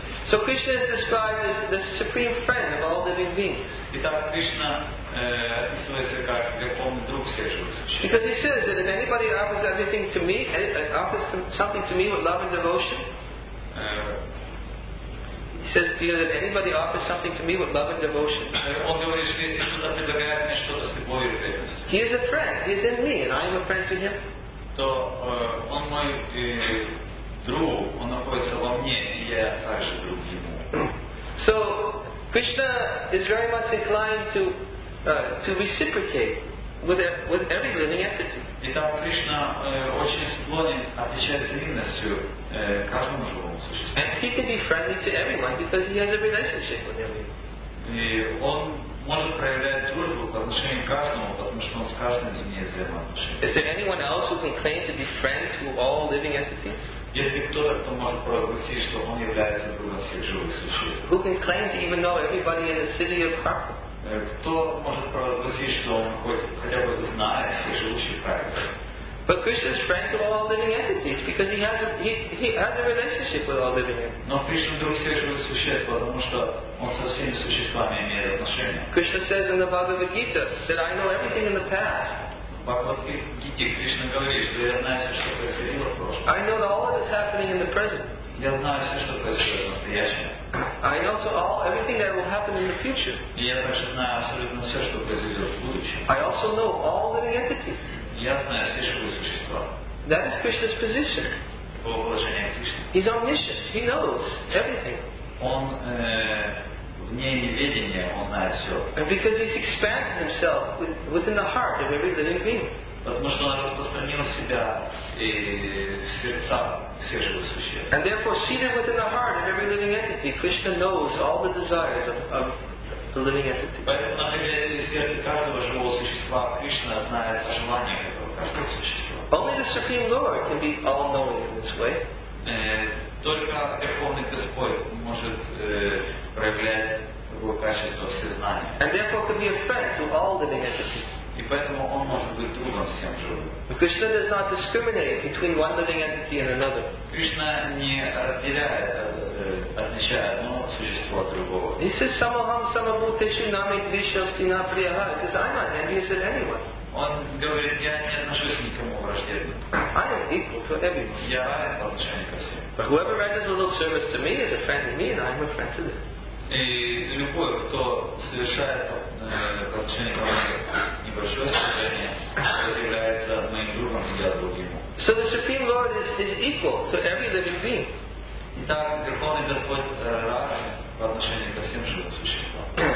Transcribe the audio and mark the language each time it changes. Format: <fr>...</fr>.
<en>So Krishna is described as the supreme friend of all living beings.</en> <ru>Итак, Кришна описывается как верховный друг всех живых существ.</ru> <en>Because he says that if anybody offers everything to me, offers something to me with love and devotion, he says, you know, that anybody offers something to me with love and devotion.</en> <ru>Он говорит, что если кто-то предлагает мне что-то с любовью и преданностью.</ru> <en>He is a friend. He is in me, and I am a friend to him.</en> <ru>То он мой друг, он находится во мне, и я также друг ему.</ru> <en>So Krishna is very much inclined to reciprocate with every living entity.</en> <ru>Итак, Кришна очень склонен отвечать взаимностью каждому живому существу.</ru> <en>And he can be friendly to everyone because he has a relationship with everyone.</en> <ru>И он может проявлять дружбу по отношению к каждому, потому что он с каждым имеет взаимоотношения.</ru> <en>Is there anyone else who can claim to be friend to all living entities?</en> <ru>Если кто-то, кто может провозгласить, что он является другом всех живых существ.</ru> <en>Who can claim to even know everybody in the city of Krakow?</en> <ru>Кто может провозгласить, что он хотя бы знает все живущие Кракова?</ru> <en>But Krishna is friend to all living entities because he has a relationship with all living entities.</en> <ru>Но Кришна друг всех живых существ, потому что он со всеми существами имеет отношения.</ru> <en>Krishna says in the Bhagavad Gita that I know everything in the past.</en> <ru>Кришна говорит, что я знаю все, что происходило в прошлом.</ru> <en>I know that all that is happening in the present.</en> <ru>Я знаю все, что происходит в настоящем.</ru> <en>I know also everything that will happen in the future.</en> <ru>Я также знаю абсолютно все, что произойдет в будущем.</ru> <en>I also know all living entities.</en> <ru>Я знаю все живые существа.</ru> <en>That is Krishna's position.</en> <ru>Таково положение Кришны.</ru> <en>He's omniscient. He knows everything.</en> <ru>Он вне неведения, он знает все.</ru> <en>And because he's expanded himself within the heart of every living being.</en> <ru>Потому что он распространил себя и сердца всех живых существ.</ru> <en>And therefore, seated within the heart of every living entity, Krishna knows all the desires of the living entity.</en> <ru>Поэтому, находясь в сердце каждого живого существа, Кришна знает о желаниях этого каждого существа.</ru> <en>Only the Supreme Lord can be all-knowing in this way.</en> <ru>Только Верховный Господь может проявлять в другого качества все знания.</ru> <en>And therefore could be a friend to all living entities.</en> <ru>И поэтому он может быть другом всем живым.</ru> <en>Krishna does not discriminate between one living entity and another.</en> <ru>Кришна не разделяет, отличает одно существо от другого.</ru> <en>He says,</en> <sa>"Самахам самабхутешу нами кришасти на прияха."</sa> <en>He says, "I'm not envious at anyone."</en> <ru>Он говорит, я не отношусь никому враждебно.</ru> <en>I am equal to everyone.</en> <ru>Я равен по отношению ко всем.</ru> <en>But whoever renders a little service to me is a friend to me, and I'm a friend to them.</en> <ru>И любой, кто совершает по отношению ко мне небольшое служение, является моим другом, и я друг ему.</ru> <en>So the Supreme Lord is equal to every living being.</en> <ru>Итак, Верховный Господь равен по отношению ко всем живым существам.</ru>